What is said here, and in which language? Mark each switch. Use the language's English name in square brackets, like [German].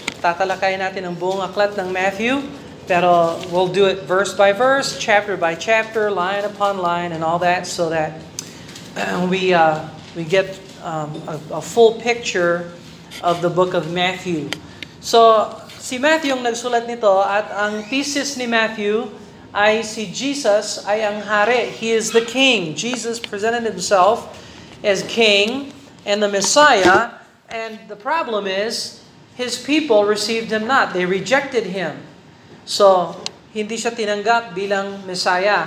[Filipino] Tatalakayin natin ang buong aklat ng Matthew. [English] Pero we'll do it verse by verse, chapter by chapter, line upon line, and all that so that we get a full picture of the book of Matthew. [Filipino] So, si Matthew ang nagsulat nito at ang thesis ni Matthew ay si Jesus ay ang hari. [English] He is the king. Jesus presented himself as king and the Messiah. And the problem is, his people received him not. They rejected him. [Filipino] So, hindi siya tinanggap bilang Messiah.